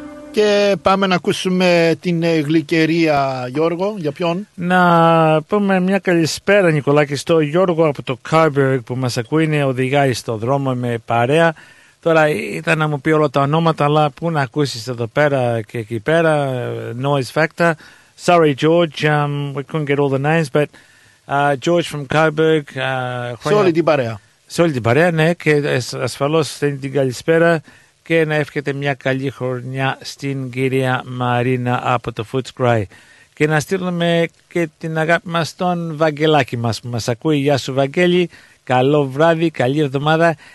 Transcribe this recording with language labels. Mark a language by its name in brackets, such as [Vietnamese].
[Greek] Και πάμε να ακούσουμε την Γλυκερία, Γιώργο, για ποιον. Να πούμε μια καλησπέρα, Νικολάκη, στο Γιώργο από το Κάρμπεργκ που μας ακούει, είναι οδηγάει στο δρόμο με παρέα. Τώρα ήταν να μου πει όλα τα ονόματα, αλλά πού να ακούσεις εδώ πέρα και εκεί πέρα, [English] noise factor. Sorry, George, we couldn't get all the names, but George from Kyberg. [Greek] Σε όλη την παρέα. Σε όλη την παρέα, ναι, και ασφαλώς στέλνει την καλησπέρα και να εύχεται μια καλή χρονιά στην κυρία Μαρίνα από το Footscray. Και να στείλουμε και την αγάπη μας στον Βαγγελάκη μας που μας ακούει. Γεια σου, Βαγγέλη, καλό βράδυ, καλή εβδομάδα.